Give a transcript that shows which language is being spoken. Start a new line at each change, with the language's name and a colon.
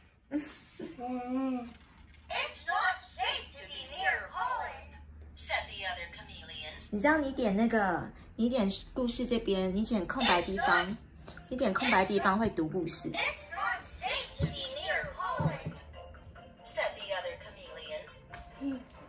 English: It's not safe to be near Colin, said the other chameleons.
Chinese: 你知道你点那个，你点故事这边，你点空白地方，你点空白地方会读故事。
English: It's not safe to be near Colin, said the other chameleons.